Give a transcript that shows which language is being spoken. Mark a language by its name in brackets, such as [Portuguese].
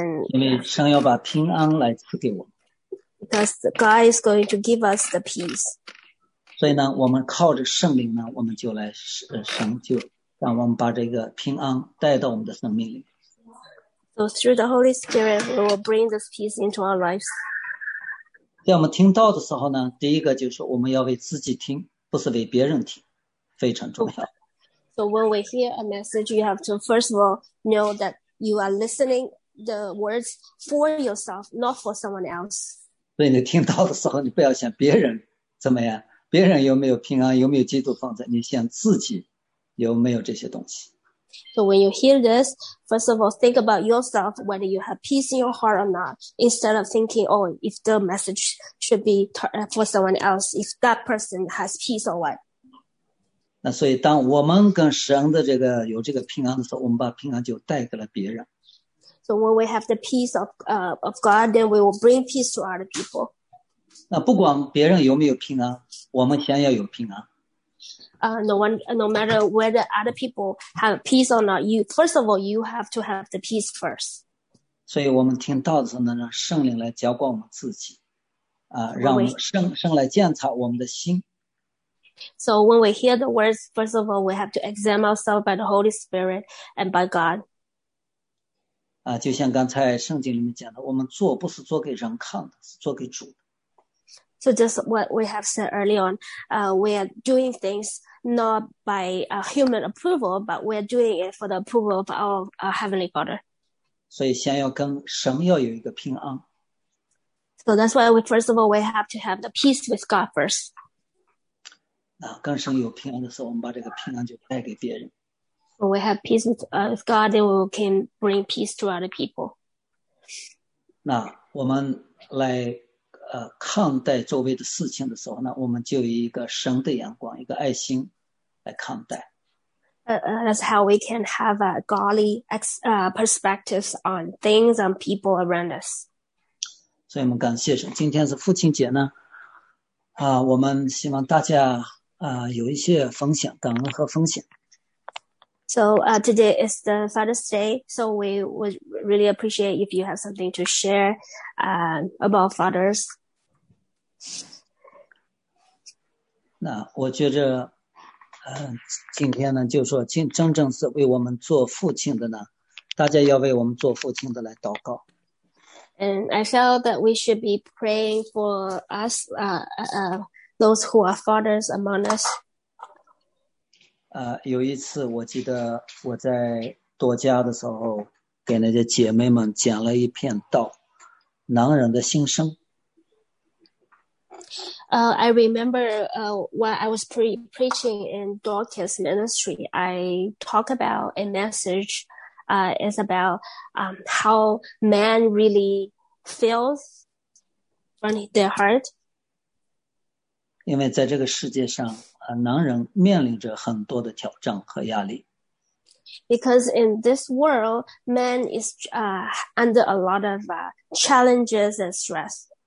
[Chinese] 因为神要把平安来赐给我们。 [English] Because God is going to give us the peace. [Chinese] 所以呢，我们靠着圣灵呢，我们就来神就让我们把这个平安带到我们的生命里。 [English] So through the Holy Spirit, we will bring this peace into our lives. [Chinese] 在我们听到的时候呢，第一个就是我们要为自己听，不是为别人听，非常重要。 [English] So when we hear a message, you have to first of all know that you are listening the words for yourself, not for someone else. [Chinese] 所以你听到的时候，你不要想别人怎么样，别人有没有平安，有没有基督放在你，想自己有没有这些东西。 [English] So when you hear this, first of all, think about yourself, whether you have peace in your heart or not, instead of thinking, oh, if the message should be for someone else, if that person has peace or what. [Chinese] 那所以当我们跟神的这个有这个平安的时候，我们把平安就带给了别人。 [English] So when we have the peace of God, then we will bring peace to other people. [Chinese] 那不管别人有没有平安，我们先要有平安。 [English] No matter whether other people have peace or not, you first of all you have to have the peace first. [Chinese] 所以我们听到的时候呢，让圣灵来浇灌我们自己，让圣来鉴察我们的心。 [English] So when we hear the words, first of all, we have to examine ourselves by the Holy Spirit and by God. [Chinese] 就像刚才圣经里面讲的，我们做不是做给人看的，是做给主的。 [English] So just what we have said early on, we are doing things not by human approval, but we are doing it for the approval of our Heavenly Father. [Chinese] 所以先要跟神要有一个平安。 [English] So that's why we first of all, we have to have the peace with God first. [Chinese] 跟神有平安的时候，我们把这个平安就带给别人。 [English] When we have peace with God, then we can bring peace to other people. [Chinese] 那我们来看待周围的事情的时候呢，我们就以一个神的眼光，一个爱心来看待。 [English] That's how we can have a godly perspectives on things and people around us. [Chinese] 所以我们感谢神，今天是父亲节呢，我们希望大家有一些分享，感恩和分享。 [English] So today is the Father's Day, so we would really appreciate if you have something to share about fathers. [Chinese] 那我觉得今天呢，就说真正是为我们做父亲的呢，大家要为我们做父亲的来祷告。 [English] And I felt that we should be praying for us, those who are fathers among us. [Chinese] 有一次我记得我在多家的时候给那些姐妹们讲了一篇道，男人的心声。 [English] I remember while I was preaching in Dorcas ministry, I talked about a message is about how man really feels from their heart. [Chinese] 因为在这个世界上男人面临着很多的挑战和压力。 [English] Because in this world, man is under a lot of challenges and stress.